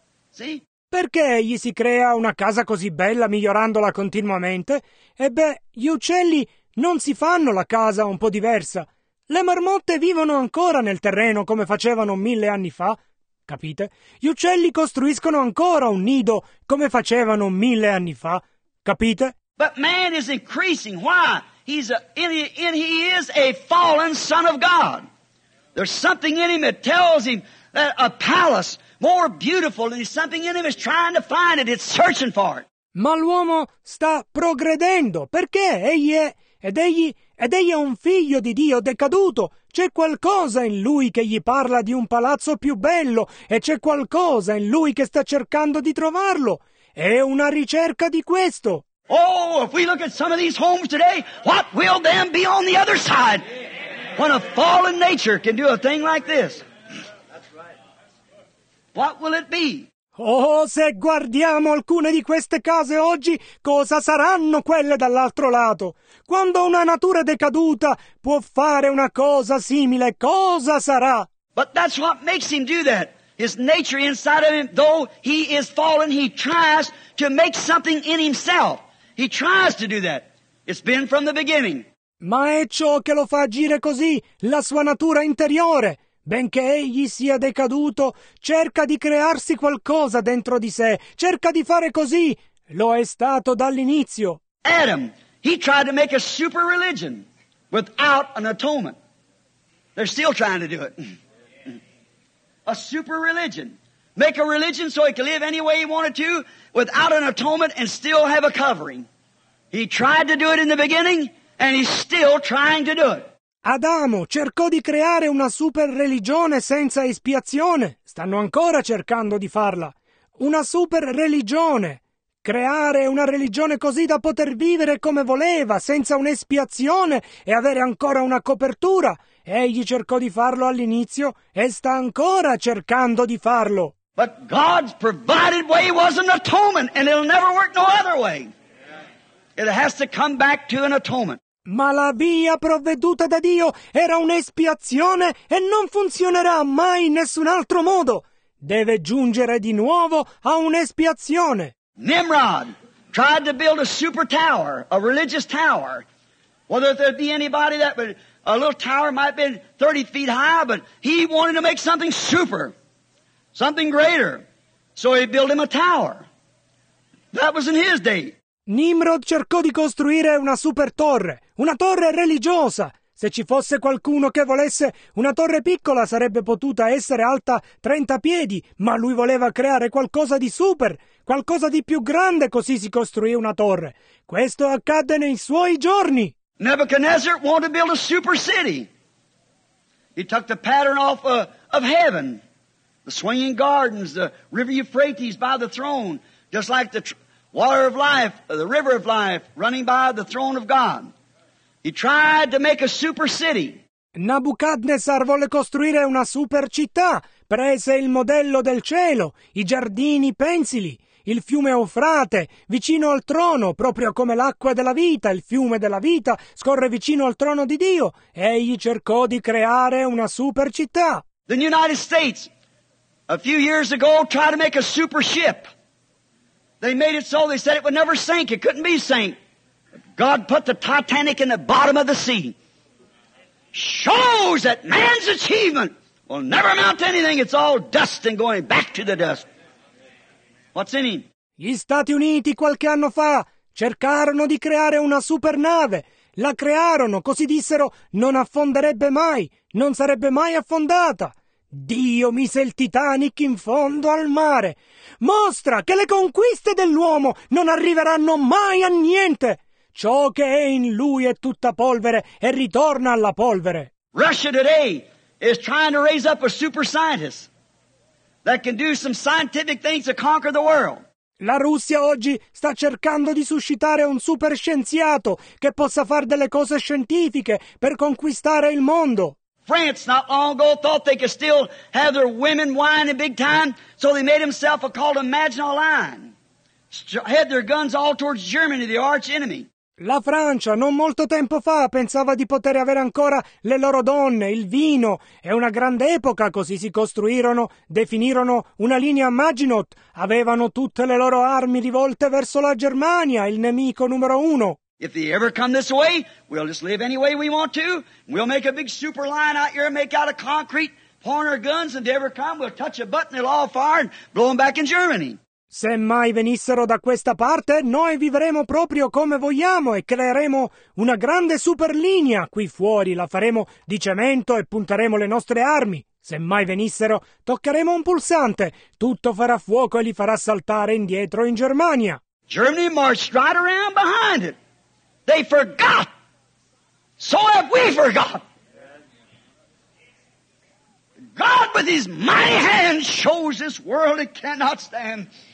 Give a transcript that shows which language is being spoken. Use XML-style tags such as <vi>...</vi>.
<en>See?</en> <it>Perché egli si crea una casa così bella migliorandola continuamente? Gli uccelli non si fanno la casa un po' diversa. Le marmotte vivono ancora nel terreno come facevano 1,000 anni fa. Capite? Gli uccelli costruiscono ancora un nido come facevano 1,000 anni fa. Capite?</it> <en>But man is increasing. Why? He is a fallen son of God. There's something in him that tells him that a palace more beautiful, and something in him is trying to find it. It's searching for it.</en> <it>Ma l'uomo sta progredendo. Perché? Ed egli è un figlio di Dio decaduto. C'è qualcosa in lui che gli parla di un palazzo più bello, e c'è qualcosa in lui che sta cercando di trovarlo. È una ricerca di questo.</it> <en>Oh, if we look at some of these homes today, what will them be on the other side? When a fallen nature can do a thing like this, what will it be?</en> <it>Oh, se guardiamo alcune di queste case oggi, cosa saranno quelle dall'altro lato? Quando una natura decaduta può fare una cosa simile, cosa sarà?</it> <en>But that's what makes him do that. His nature inside of him, though he is fallen, he tries to make something in himself. He tries to do that. It's been from the beginning.</en> <it>Ma è ciò che lo fa agire così, la sua natura interiore. Benché egli sia decaduto, cerca di crearsi qualcosa dentro di sé. Cerca di fare così. Lo è stato dall'inizio.</it> <en>Adam, he tried to make a super religion without an atonement. They're still trying to do it. A super religion. Make a religion so he could live any way he wanted to without an atonement and still have a covering. He tried to do it in the beginning and he's still trying to do it.</en> <it>Adamo cercò di creare una super religione senza espiazione. Stanno ancora cercando di farla. Una super religione. Creare una religione così da poter vivere come voleva, senza un'espiazione e avere ancora una copertura. Egli cercò di farlo all'inizio e sta ancora cercando di farlo.</it> <en>But God's provided way was an atonement, and it'll never work no other way. It has to come back to an atonement.</en> <it>Ma la via provveduta da Dio era un'espiazione e non funzionerà mai in nessun altro modo. Deve giungere di nuovo a un'espiazione.</it> <en>Nimrod tried to build a super tower, a religious tower. Whether there'd be anybody that would, a little tower might have been 30 feet high, but he wanted to make something super, something greater. So he built him a tower. That was in his day.</en> <it>Nimrod cercò di costruire una super torre, una torre religiosa. Se ci fosse qualcuno che volesse, una torre piccola sarebbe potuta essere alta 30 piedi, ma lui voleva creare qualcosa di super, qualcosa di più grande, così si costruì una torre. Questo accadde nei suoi giorni.</it> <en>Nebuchadnezzar wanted to build a super city. He took the pattern off of heaven, the swinging gardens, the river Euphrates by the throne, just like the water of life, the river of life, running by the throne of God. He tried to make a super city.</en> <it>Nabucodonosor volle costruire una super città. Prese il modello del cielo, i giardini pensili, il fiume Eufrate, vicino al trono, proprio come l'acqua della vita, il fiume della vita, scorre vicino al trono di Dio. Egli cercò di creare una super città.</it> <en>The United States, a few years ago, tried to make a super ship. They made it so they said it would never sink. It couldn't be sank. God put the Titanic in the bottom of the sea. Shows that man's achievement will never amount to anything. It's all dust and going back to the dust. What's in him?</en> <it>Gli Stati Uniti qualche anno fa cercarono di creare una supernave. La crearono, così dissero, non affonderebbe mai, non sarebbe mai affondata. Dio mise il Titanic in fondo al mare. Mostra che le conquiste dell'uomo non arriveranno mai a niente. Ciò che è in lui è tutta polvere e ritorna alla polvere.</it> <en>Russia today is trying to raise up a super scientist that can do some scientific things to conquer the world.</en> <it>La Russia oggi sta cercando di suscitare un superscienziato che possa fare delle cose scientifiche per conquistare il mondo.</it> <en>France not long ago thought they could still have their women whining in big time, so they made himself a called a Maginot Line. Had their guns all towards Germany, the arch enemy.</en> <it>La Francia non molto tempo fa pensava di poter avere ancora le loro donne, il vino e una grande epoca, così si costruirono, definirono una linea Maginot, avevano tutte le loro armi rivolte verso la Germania, il nemico numero uno.</it> <en>If they ever come this way, we'll just live any way we want to. We'll make a big super line out here, make out of concrete, point our guns, and if they ever come, we'll touch a button, it'll all fire and blow them back in Germany.</en> <it>Se mai venissero da questa parte, noi vivremo proprio come vogliamo e creeremo una grande superlinea qui fuori. La faremo di cemento e punteremo le nostre armi. Se mai venissero, toccheremo un pulsante. Tutto farà fuoco e li farà saltare indietro in Germania.</it> <en>Germany marched right around behind it. They forgot. So have we forgot. God with his mighty hand shows this world it cannot stand.</en>